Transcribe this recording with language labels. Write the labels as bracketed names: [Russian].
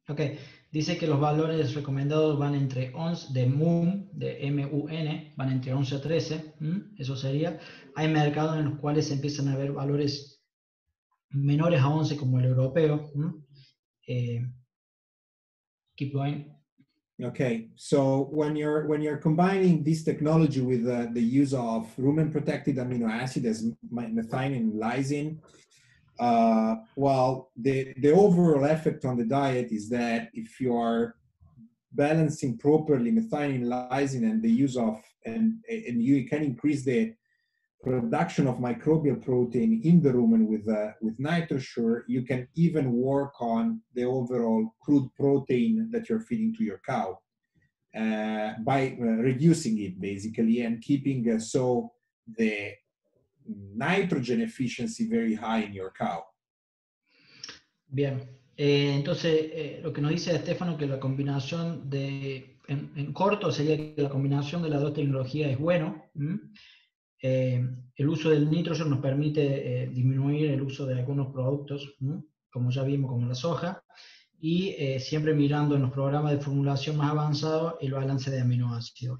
[Spanish] Ok, dice que los valores recomendados van entre 11 de MUN, de MUN, van entre 11 a 13, eso sería. Hay mercados en los cuales empiezan a haber valores menores a 11, como el europeo. [English] Keep going. Okay, so when you're combining this technology with the use of rumen protected amino acid as methionine, lysine, well, the overall effect on the diet is that if you are balancing properly methionine, lysine, and the use of and you can increase the production of microbial protein in the rumen with NitroSure, you can even work on the overall crude protein that you're feeding to your cow by reducing it basically and keeping so the nitrogen efficiency very high in your cow. [Spanish] Bien, entonces lo que nos dice Estefano que la combinación de en corto sería que la combinación de las dos tecnologías es bueno. El uso del nitrógeno nos permite disminuir el uso de algunos productos, como ya vimos, como la soja, y siempre mirando en los programas de formulación más avanzado el balance de aminoácidos.